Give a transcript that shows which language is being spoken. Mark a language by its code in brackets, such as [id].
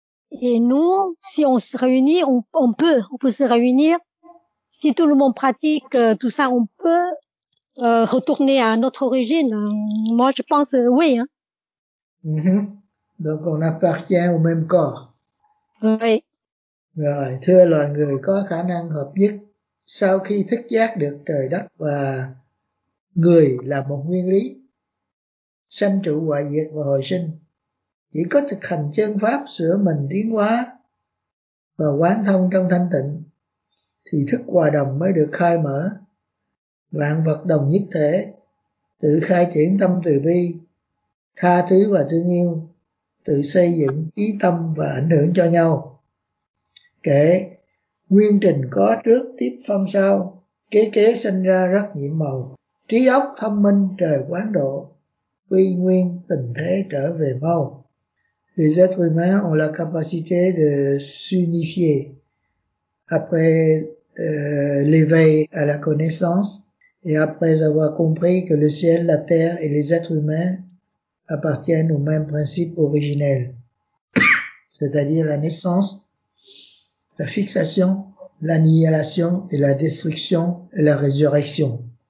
[fr] Et nous, si on se réunit, on peut se réunir. Si tout le monde pratique tout ça, on peut retourner à notre origine. Moi, je pense, oui. Hein. Mm-hmm. Donc, on appartient au même corps. Oui. [vi] Rồi, thưa loài người có khả năng hợp nhất sau khi thức giác được trời đất và người là một nguyên lý, sanh trụ hoại diệt và hồi sinh. Chỉ có thực hành chân pháp sửa mình tiến hóa và quán thông trong thanh tịnh, thì thức hòa đồng mới được khai mở. Vạn vật đồng nhất thể, tự khai triển tâm từ bi, tha thứ và thương yêu, tự xây dựng ý tâm và ảnh hưởng cho nhau. kệ, nguyên trình có trước tiếp phân sau, kế kế sinh ra rất nhiệm màu, trí óc thông minh trời quán độ, quy nguyên tình thế trở về mau. [fr] Les êtres humains ont la capacité de s'unifier après l'éveil à la connaissance et après avoir compris que le ciel, la terre et les êtres humains appartiennent au même principe originel, c'est-à-dire la naissance, la fixation, l'annihilation et la destruction et la résurrection.